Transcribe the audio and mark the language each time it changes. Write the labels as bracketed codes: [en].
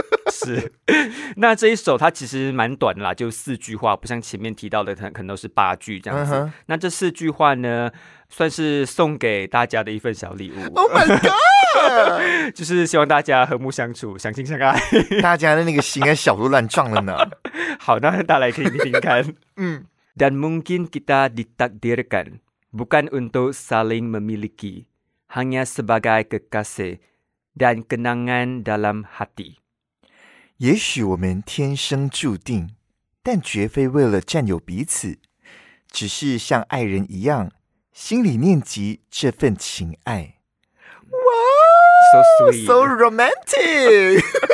[zh] 是，那这一首它其实蛮短的啦，就四句话，不像前面提到的可能都是八句这样子、嗯、那这四句话呢算是送给大家的一份小礼物。 [en] Oh my god [zh] 就是希望大家和睦相处，相亲相爱大家的那个心跟小鹿乱撞了呢好，那大家来可以听听看 [id] Dan mungkin kita ditakdirkan bukan untuk saling memiliki hanya sebagai kekasih dan kenangan dalam hati。 [zh] 也许我们天生注定，但绝非为了占有彼此，只是像爱人一样，心里念及这份情爱。哇、 [en] wow, ，so sweet, so romantic